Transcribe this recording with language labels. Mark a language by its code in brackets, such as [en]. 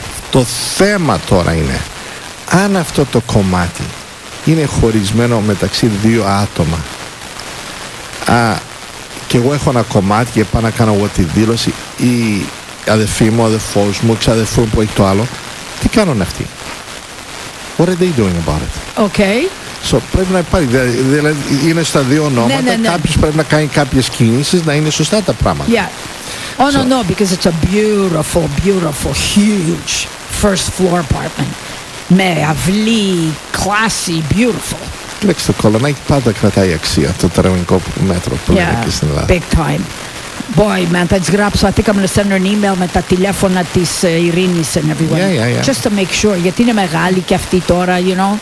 [el] Το θέμα τώρα είναι, αν αυτό το κομμάτι είναι χωρισμένο μεταξύ δύο άτομα, και εγώ έχω ένα κομμάτι και πάω να κάνω εγώ τη δήλωση, ή αδερφή μου, αδερφός μου, ξαδερφού μου που έχει το άλλο, τι κάνουν αυτοί? [en] What are they doing about it? Okay. [el] So, πρέπει να υπάρχει, δηλαδή είναι στα δύο ονόματα, κάποιος πρέπει να κάνει κάποιες κινήσεις να είναι σωστά τα πράγματα. [en] Yeah. Oh, no, because it's a beautiful, huge first floor apartment. [el] Με αυλή, [en] classy, beautiful. [el] Κοιτάξτε, το Κολωνάκι πάντα κρατάει αξία το τετραγωνικό μέτρο που είναι εκεί στην Ελλάδα. [en] Big time. Boy, man, [el] θα της γράψω, [en] I think I'm going to send her an email [el] με τα τηλέφωνα της Ειρήνης [en] and everyone. Yeah. Just to make sure, [el] γιατί είναι μεγάλη και αυτή τώρα, [en] you know.